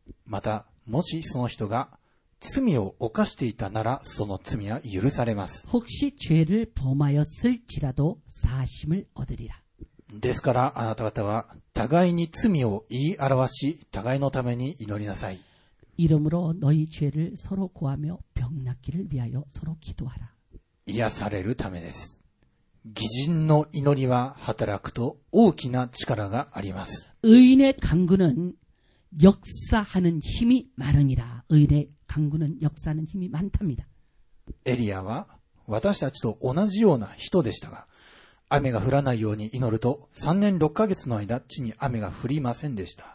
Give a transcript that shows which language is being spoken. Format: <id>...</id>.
<ja>またもしその人が罪を犯していたならその罪は許されます。</ja> <ko>혹시죄를범하였을지라도사심을얻으리라。</ko> <ja>ですからあなた方は互いに罪を言い表し互いのために祈りなさい。</ja> <ko>이름으로너희죄를서로구하며병낫기를위하여서로기도하라。</ko> <ja>癒されるためです。義人の祈りは働くと大きな力があります。</ja> <ko>의인의간구는역사하는힘이많으니라。 의인의간구는역사하는힘이많답니다。</ko> <ja>エリアは私たちと同じような人でしたが、雨が降らないように祈ると3年6ヶ月の間地に雨が降りませんでした。</ja>